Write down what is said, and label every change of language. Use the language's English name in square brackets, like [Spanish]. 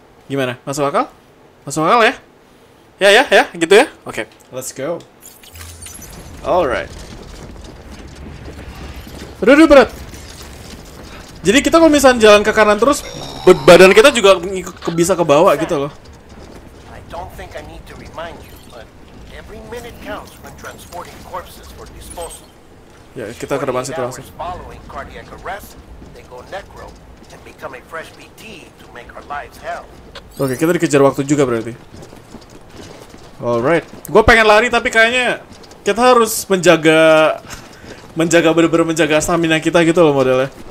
[Indonesian] Gimana? Masuk akal? Masuk akal ya? Ya, gitu ya. Oke, [English] okay. Let's go. Alright. [Indonesian] Aduh, berat. Jadi kita kalau misalnya jalan ke kanan terus, badan kita juga bisa ke bawah gitu loh. [English] I don't think I need to remind you, but every minute counts when transporting corpses for disposal. [Indonesian] Ya, kita ke depan situ langsung. [English] Following cardiac arrest, they go necro and become a fresh BT to make our lives hell. [Indonesian] Oke, kita dikejar waktu juga berarti. Alright. Gua pengen lari tapi kayaknya kita harus menjaga stamina kita gitu loh modelnya.